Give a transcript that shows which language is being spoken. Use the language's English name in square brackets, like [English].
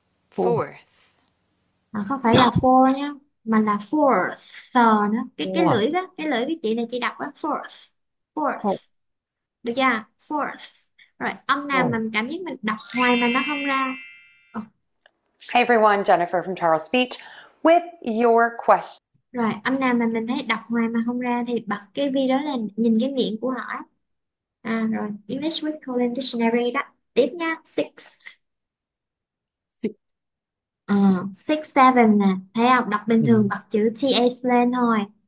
[English] Fourth. [Vietnamese] À, không phải là four nhá, mà là fourth nữa. Cái [English] What? [Vietnamese] lưỡi đó, cái lưỡi cái chị này chị đọc đó, fourth. Fourth. Được chưa? Fourth. Rồi, âm nào mà Oh. mình cảm giác mình đọc hoài mà nó không ra. [English] Hey everyone, Jennifer from Charles Speech with your question. [Vietnamese] Rồi, âm nào mà mình thấy đọc hoài mà không ra thì bật cái video lên, nhìn cái miệng của họ. À, rồi, English with Colin Dictionary đó. Tiếp nha, six. 6, 7 nè, thấy không? Đọc bình thường Ừ. bật chữ TH lên thôi.